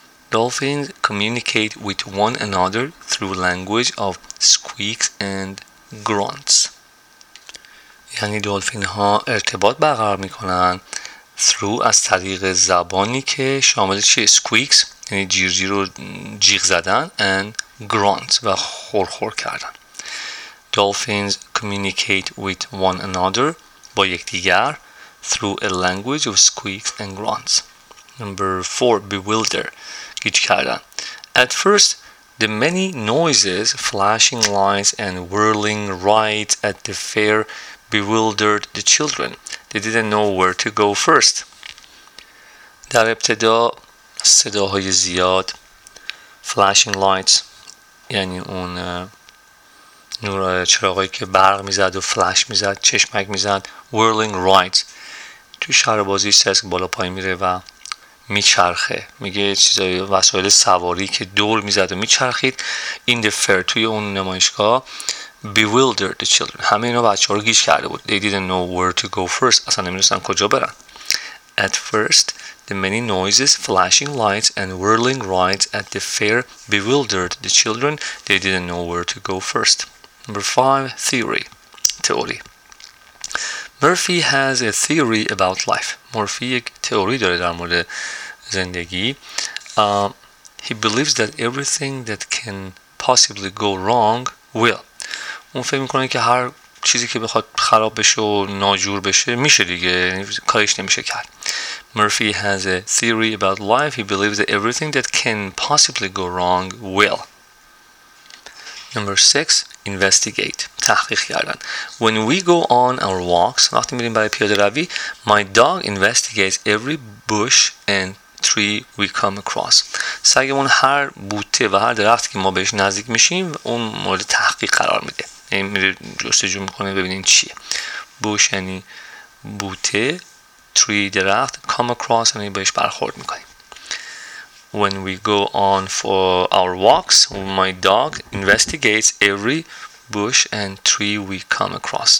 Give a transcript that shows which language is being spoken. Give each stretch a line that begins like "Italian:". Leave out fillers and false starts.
English: Dolphins communicate with one another through language of squeaks and grunts.
Persian: یعنی دلفین ها ارتباط برقرار می کنن
English: through
Persian: از طریق زبانی که شامل چیه؟
English: squeaks
Persian: یعنی جیر جیر و جیغ زدن
English: and grunts
Persian: و خور خور کردن.
English: Dolphins communicate with one another
Persian: با یکدیگر
English: through a language of squeaks and grunts. Number 4, bewilder,
Persian: گیج کردن.
English: At first, the many noises, flashing lights and whirling rides at the fair bewildered the children. They didn't know where to go first.
Persian: در ابتدا صداهای زیاد,
English: flashing lights
Persian: یعنی اون نور چراغی که برق میزد و فلش میزد, چشمک میزد,
English: whirling rides
Persian: تو شهر بازی سسک بالا پایین میره و میچرخه, میگه چیزای وسایل سواری که دور میزد و میچرخید.
English: In the fair,
Persian: توی اون نمایشگاه,
English: bewildered the children,
Persian: همه اینا بچه ها رو گیج کرده بود.
English: They didn't know where to go first,
Persian: اصلا نمیدونستن کجا برن.
English: At first, the many noises, flashing lights and whirling rides at the fair bewildered the children. They didn't know where to go first. Number 5, theory, تئوری. Murphy has a theory about life.
Persian: Murphy یک تئوری داره در مورد زندگی.
English: He believes that everything that can possibly go wrong will.
Persian: اون فکر میکنه که هر چیزی که بخواد خراب بشه و ناجور بشه میشه دیگه, کارش نمیشه کرد.
English: Murphy has a theory about life. He believes that everything that can possibly go wrong will. Number 6, investigate,
Persian: تحقیق کردن.
English: When we go on our walks,
Persian: وقتی میریم برای پیاده روی,
English: my dog investigates every bush and tree we come across.
Persian: سگمون هر بوته و هر درختی که ما بهش نزدیک میشیم اون مورد تحقیق قرار میده. یعنی میره جستجو میکنه ببینیم چیه.
English: Bush
Persian: یعنی بوته,
English: tree
Persian: درخت,
English: come across
Persian: یعنی بهش برخورد میکنیم.
English: When we go on for our walks, my dog investigates every bush and tree we come across.